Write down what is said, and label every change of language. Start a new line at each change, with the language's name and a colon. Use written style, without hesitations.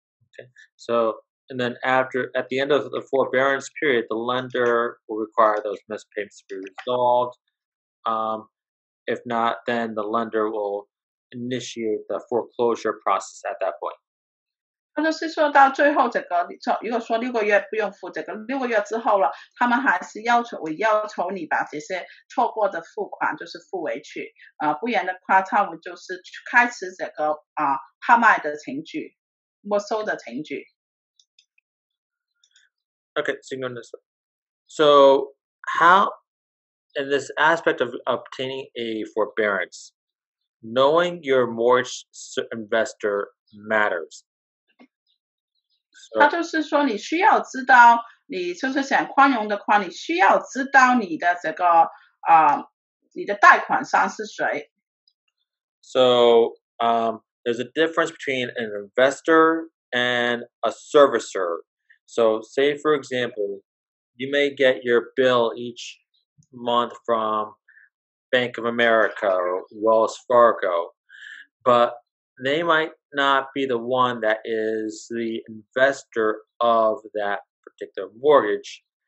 English: Okay. So, and then at the end of the forbearance period, the lender will require those missed payments to be resolved. If not, then the lender will initiate the foreclosure process at that point.
Chinese: 他就是说到最后这个，如果说六个月不用付这个，六个月之后了，他们还是要求你把这些错过的付款就是付回去，不然的话，他们就是开始这个拍卖的程序，没收的程序。
English: Okay, single this. So how in this aspect of obtaining a forbearance, knowing your mortgage investor matters.
Chinese: 他就是说你需要知道你就是想宽容的话你需要知道你的这个你的贷款商是谁。
English: So, there's a difference between an investor and a servicer. So, say for example, you may get your bill each month from Bank of America or Wells Fargo, but they might not be the one that is the investor of that particular mortgage.